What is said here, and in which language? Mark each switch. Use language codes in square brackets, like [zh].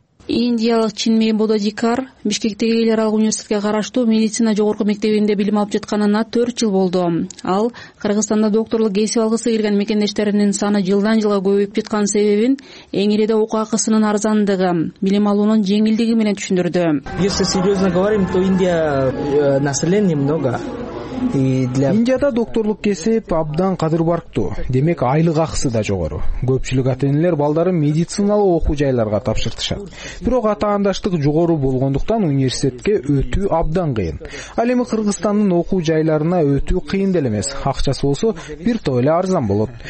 [ky] Индиялык Чинми Бодадикар Бишкектеги эл аралык университетке караштуу медицина жогорку мектебинде билим алып жатканына 4 жыл болду. Ал Кыргызстанда докторлук кесип алгысы келген мекендештеринин саны жылдан жылга көбөйүп жаткан себебин эң эле окуу акысынын арзандыгы, билим алуунун жеңилдиги менен түшүндүрдү. [ru] Если серьезно говорим, то Индия население много. [ky] Индияда докторлук кесип абдан кадыр барктуу. Демек айлык акысы да жогору. Көпчүлүк ата-энелер балдарын медициналык окуу жайларга тапшыртышат. Бирок атаандаштык жогору болгондуктан университетке өтүү абдан кыйын. Ал эми Кыргызстандын окуу жайларына өтүү кыйын деле эмес. Акчасы болсо бир топ эле арзан болот.